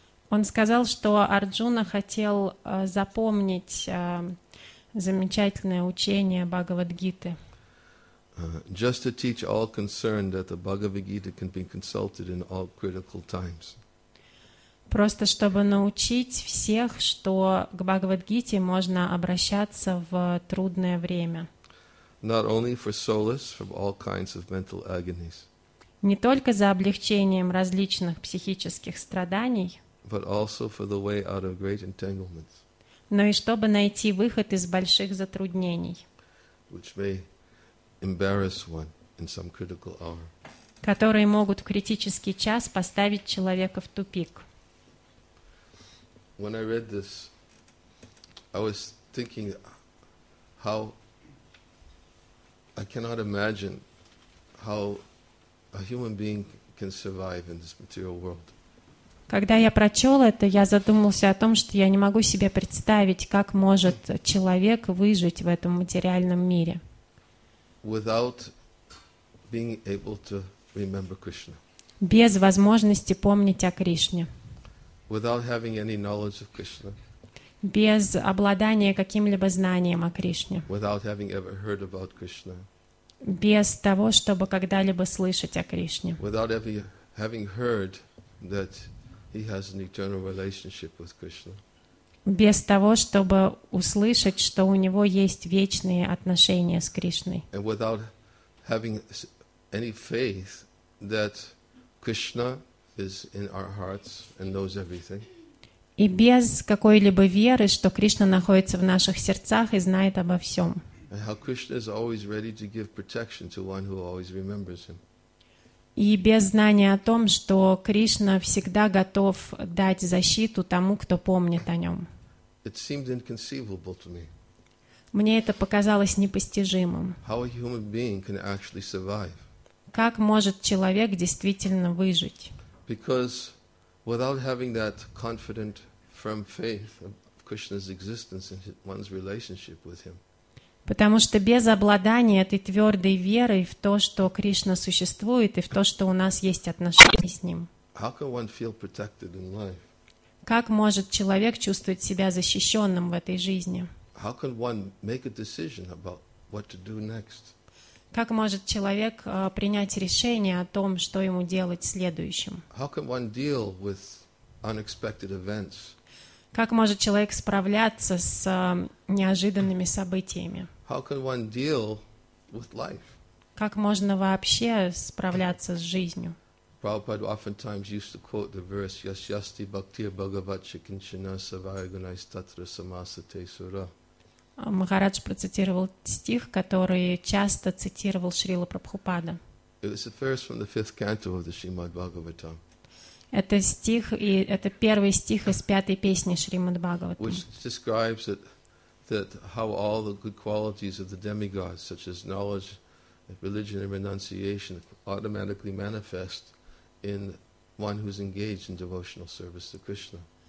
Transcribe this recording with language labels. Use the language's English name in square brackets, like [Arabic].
[Russian] Он сказал, что Арджуна хотел запомнить замечательное учение Бхагавад-гиты. [English] Just to teach all concerned that the Bhagavad-gita can be consulted in all critical times. [Russian] Просто чтобы научить всех, что к Бхагавад-гите можно обращаться в трудное время. [English] Not only for solace from all kinds of mental agonies. [Russian] Не только за облегчением различных психических страданий. [English] But also for the way out of great entanglements. [Russian] Но и чтобы найти выход из больших затруднений. [English] Which may embarrass one in some critical hour. [Russian] Которые могут в критический час поставить человека в тупик. [English] When I read this, I was thinking how I cannot imagine how a human being can survive in this material world. [Russian] Когда я прочел это, я задумался о том, что я не могу себе представить, как может человек выжить в этом материальном мире. [English] Without being able to remember Krishna. [Russian] Без возможности помнить о Кришне. [English] Without having any knowledge of Krishna. [Russian] Без обладания каким-либо знанием о Кришне. [English] Without having ever heard about Krishna. [Russian] Без того, чтобы когда-либо слышать о Кришне. [English] Without ever having heard that He has an eternal relationship with Krishna. [Russian] Без того, чтобы услышать, что у него есть вечные отношения с Кришной. [English] And without having any faith that Krishna is in our hearts and knows everything. [Russian] И без какой-либо веры, что Кришна находится в наших сердцах и знает обо всем. [English] And how Krishna is always ready to give protection to one who always remembers him. [Russian] И без знания о том, что Кришна всегда готов дать защиту тому, кто помнит о нем. [English] It seemed inconceivable to me. [Russian] Мне это показалось непостижимым. [English] How a human being can actually survive. [Russian] Как может человек действительно выжить? [English] Because without having that confident, firm faith of Krishna's existence and one's relationship with him. [Russian] Потому что без обладания этой твердой верой в то, что Кришна существует, и в то, что у нас есть отношения с Ним, [English] How can one feel protected in life? [Russian] Как может человек чувствовать себя защищенным в этой жизни? [English] How can one make a decision about what to do next? [Russian] Как может человек принять решение о том, что ему делать следующим? [English] How can one deal with unexpected events? [Russian] Как может человек справляться с неожиданными событиями? [English] How can one deal with life? [Russian] Как можно вообще справляться с жизнью? [English] Prabhupada oftentimes used to quote the verse [Sanskrit] Yasyasti Bhaktir Bhagavacha Kinchana Savayaguna Istatra Samasate Sura. [Russian] Махарадж процитировал стих, который часто цитировал Шрила Прабхупада. [English] It was the verse from the fifth canto of the Srimad Bhagavatam. [Russian] Это стих, и это первый стих из пятой песни Шримад Бхагаватам. [English] Which describes that how all the good qualities of the demigods, such as knowledge, religion, and renunciation, automatically manifest in one who's engaged in devotional service to Krishna.